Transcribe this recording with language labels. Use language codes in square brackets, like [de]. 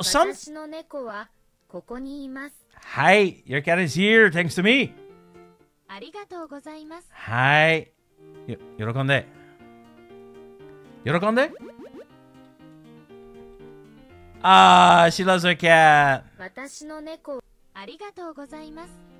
[ja] 私の猫はここにいます。 [en] はい、your cat is here, thanks to me. [ja] ありがとうございます。はい。喜んで。喜んで。 [en] ああ、she loves her cat. [ja] 私の猫、ありがとうございます。